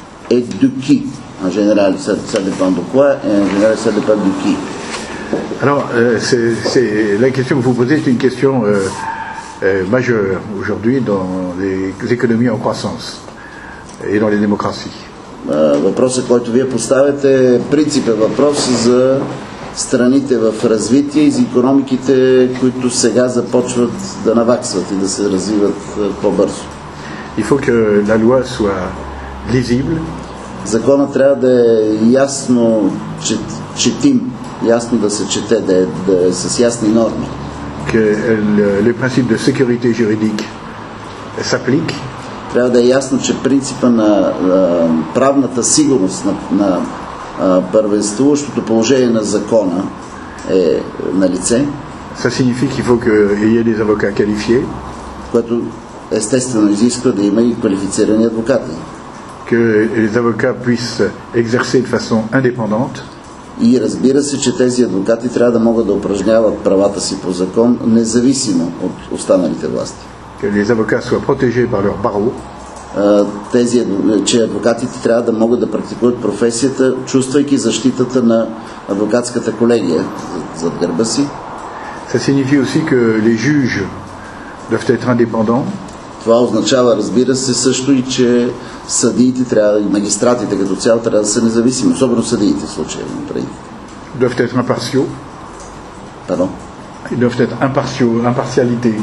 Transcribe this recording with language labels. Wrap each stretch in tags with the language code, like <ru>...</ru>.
<fr>Et de qui en général, ça dépend de quoi et en général ça dépend de qui. Alors c'est la question que vous posez est une question majeure aujourd'hui dans les économies en croissance et dans les démocraties.</fr> <bg>Въпросът, който вие поставяте, принципен въпрос за страните в развитие и за икономиките, които сега започват да наваксват и да се развиват по-бързо.</bg> <fr>Il faut que la loi soit lisible.</fr> <bg>Законът трябва да е ясно четим, ясно да се чете, да е с ясни норми.</bg> <fr>Que le principe de sécurité juridique s'applique.</fr> <bg>Трябва да е ясно, че принципа на правната сигурност на първенствуващото положение на закона е на лице.</bg> <fr>Ça signifie qu'il faut qu'il y ait des avocats qualifiés.</fr> <bg>Което естествено изисква да има и квалифицирани адвокати.</bg> <fr>Que les avocats puissent exercer de façon indépendante.</fr> <bg>И разбира се, че тези адвокати трябва да могат да упражняват правата си по закон, независимо от останалите власти.</bg> <fr>Que les avocats soient protégés par leur barreau.</fr> <bg>Че адвокатите трябва да могат да практикуват професията, чувствайки защитата на адвокатската колегия зад гърба си.</bg> <fr>Ça signifie aussi que les juges doivent être indépendants.</fr> <bg>Това означава, разбира се, също и че съдиите трябва, магистратите като цяло трябва да са независими, особено съдиите в случая.</bg> <fr>Doivent être impartiaux. Pardon? Ils doivent être impartiaux, impartialité.</fr>